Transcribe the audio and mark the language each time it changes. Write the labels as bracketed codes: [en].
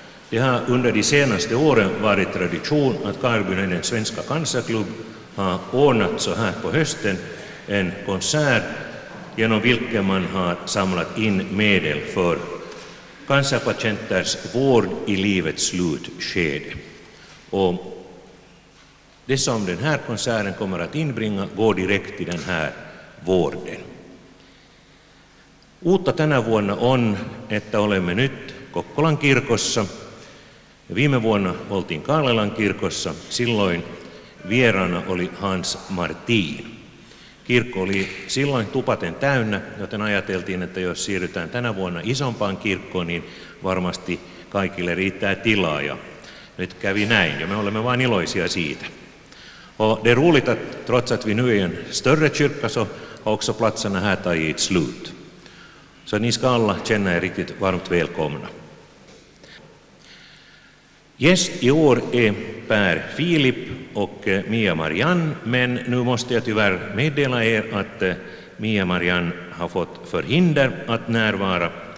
[sv] Det har under de senaste åren varit tradition att Karlbynäden Svenska Cancerklubb har ordnat så här på hösten en konsert genom vilken man har samlat in medel för cancerpatienters vård i livets slutskede. Och det som den här konserten kommer att inbringa går direkt till den här vården. [fi] Uutta tänä vuonna on, että olemme nyt Kokkolan kirkossa. Viime vuonna oltiin Karlelan kirkossa. Silloin vieraana oli Hans Martin. Kirkko oli silloin tupaten täynnä, joten ajateltiin, että jos siirrytään tänä vuonna isompaan kirkkoon, niin varmasti kaikille riittää tilaa. Ja nyt kävi näin, ja me olemme vain iloisia siitä. [sv] Och det är roligt att trots att vi nu är en större kyrka så har också platserna här tagit slut. Så ni ska alla känna er riktigt varmt välkomna. Gäst i år är Per Filip och Mia Marianne, men nu måste jag tyvärr meddela er att Mia Marianne har fått förhinder att närvara.